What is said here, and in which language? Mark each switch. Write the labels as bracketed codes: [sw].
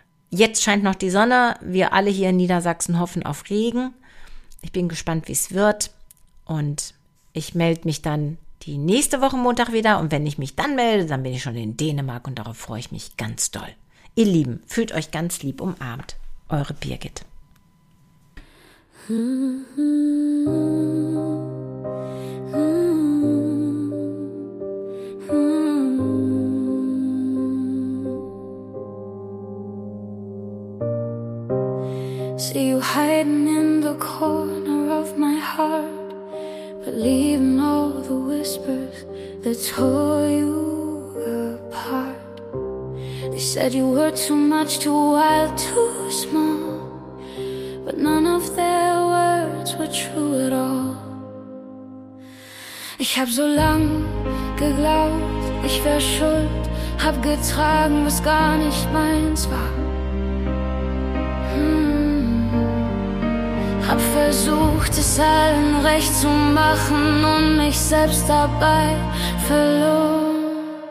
[de] Jetzt scheint noch die Sonne. Wir alle hier in Niedersachsen hoffen auf Regen. Ich bin gespannt, wie es wird. Und ich melde mich dann die nächste Woche Montag wieder. Und wenn ich mich dann melde, dann bin ich schon in Dänemark und darauf freue ich mich ganz doll. Ihr Lieben, fühlt euch ganz lieb umarmt. Eure Birgit. [en] See you hiding in the corner of my heart, but leaving all the whispers that tore you apart. They said you were too much, too wild, too small, but none of their words were true at all. [de] Ich hab so lang geglaubt, ich wär schuld, hab getragen, was gar nicht meins war. Hab versucht, es allen recht zu machen und mich selbst dabei verloren.